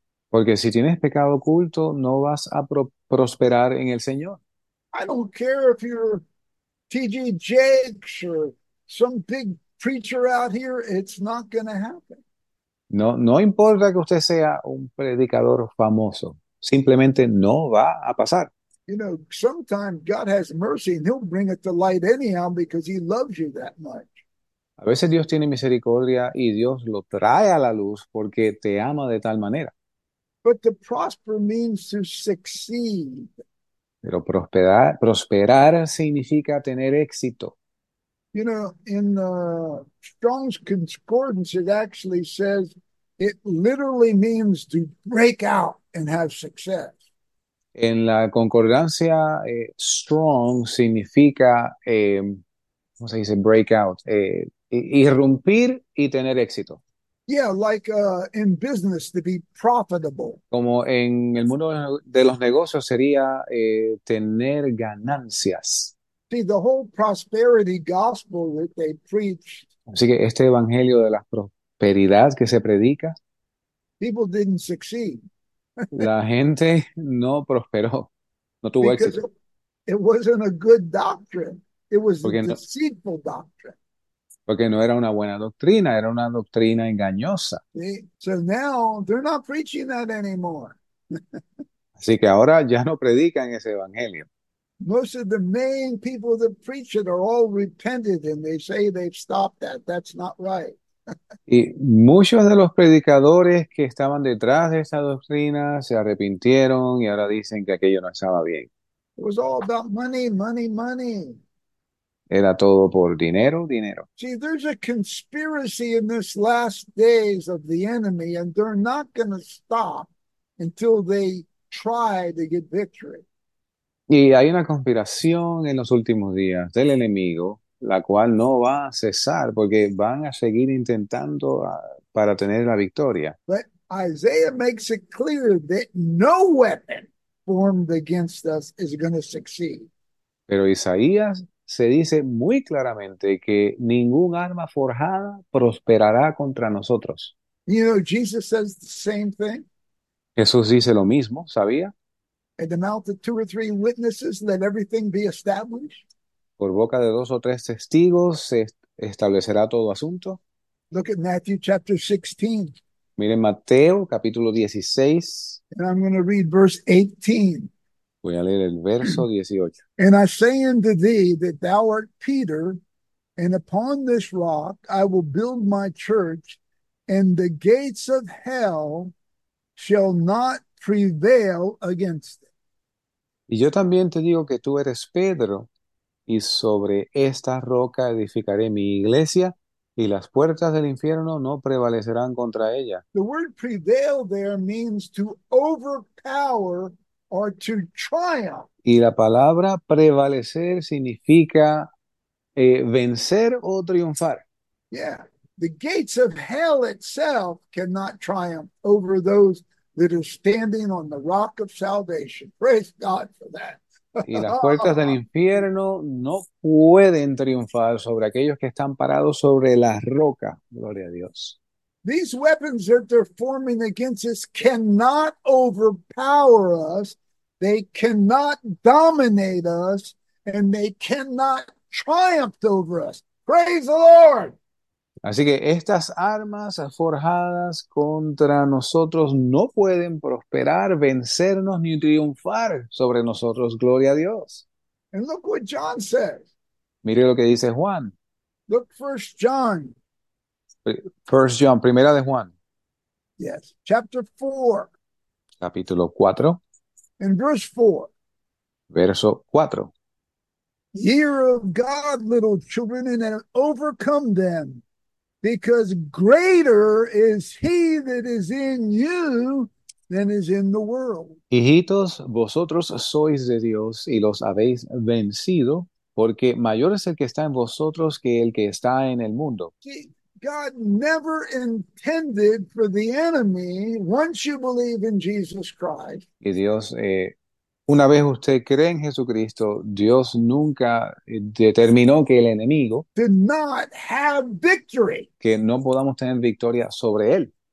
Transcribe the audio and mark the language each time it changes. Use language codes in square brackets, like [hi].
[es] Porque si tienes pecado oculto, no vas a prosperar en el Señor. [en] I don't care if you're T.G. Jakes or some big preacher out here, it's not going to happen. [es] No importa que usted sea un predicador famoso. simplemente no va a pasar. [en] You know, sometimes God has mercy and he'll bring it to light anyhow because he loves you that much. [es] A veces Dios tiene misericordia y Dios lo trae a la luz porque te ama de tal manera. [en] But to prosper means to succeed. [es] Pero prosperar significa tener éxito. [en] You know, in Strong's Concordance, it actually says it literally means to break out and have success. [es] En la concordancia, strong significa, ¿cómo se dice? Breakout, irrumpir y tener éxito. [en] Yeah, like in business to be profitable. [es] Como en el mundo de los negocios sería tener ganancias. [en] See, the whole prosperity gospel that they preached, [es] Así que este evangelio de la prosperidad que se predica, [en] people didn't succeed [es] la gente no prosperó, no tuvo [en] because [es] éxito. [en] it wasn't a good doctrine. It was a [es] Porque no [en] deceitful doctrine. [es] era una buena doctrina, era una doctrina engañosa. [en] See? So now they're not preaching that anymore. [es] Así que ahora ya no predican ese evangelio. [en] Most of the main people that preach it are all repented and they say they've stopped that. That's not right. [es] Y muchos de los predicadores que estaban detrás de esa doctrina se arrepintieron y ahora dicen que aquello no estaba bien. [en] Was all about money, money, money. [es] Era todo por dinero, dinero. [en] See, there's a conspiracy in this last days of the enemy, and they're not going to stop until they try to get victory. [es] Y hay una conspiración en los últimos días del enemigo, la cual no va a cesar porque van a seguir intentando para tener la victoria. [en] But Isaiah makes it clear that no weapon formed against us is going to succeed. [es] Pero Isaías se dice muy claramente que ningún arma forjada prosperará contra nosotros. [en] You know, Jesus says the same thing. [es] Jesús dice lo mismo, ¿sabía? [en] At the mouth of two or three witnesses, let everything be established. [es] Por boca de dos o tres testigos se establecerá todo asunto. [en] Look at Matthew chapter 16. [es] Miren Mateo capítulo 16. [en] And I'm going to read verse 18. [es] Voy a leer el verso 18. [en] And I say unto thee that thou art Peter, and upon this rock I will build my church. And the gates of hell shall not prevail against it. [es] Y yo también te digo que tú eres Pedro. Y sobre esta roca edificaré mi iglesia, y las puertas del infierno no prevalecerán contra ella. [en] The word prevail there means to overpower or to triumph. [es] Y la palabra prevalecer significa vencer o triunfar. [en] Yeah. The gates of hell itself cannot triumph over those that are standing on the rock of salvation. Praise God for that. [es] Y las puertas del infierno no pueden triunfar sobre aquellos que están parados sobre la roca. Gloria a Dios. [en] These weapons that they're forming against us cannot overpower us, they cannot dominate us, and they cannot triumph over us. Praise the Lord. [es] Así que estas armas forjadas contra nosotros no pueden prosperar, vencernos ni triunfar sobre nosotros. Gloria a Dios. [en] And look what John says. [es] Mire lo que dice Juan. [en] Look first, John. First John, [es] primera de Juan. [en] Yes, chapter 4, [es] Capítulo 4. [en] and verse 4. [es] Verso 4. [en] Hear of God, little children, and overcome them, because greater is he that is in you than is in the world. [es] Hijitos, vosotros sois de Dios y los habéis vencido, porque mayor es el que está en vosotros que el que está en el mundo. [en] See, God never intended for the enemy, once you believe in Jesus Christ, [es] Y Dios, una vez usted cree en Jesucristo, Dios nunca determinó que el enemigo, [en] to not have victory. [es] que no podamos tener victoria sobre él.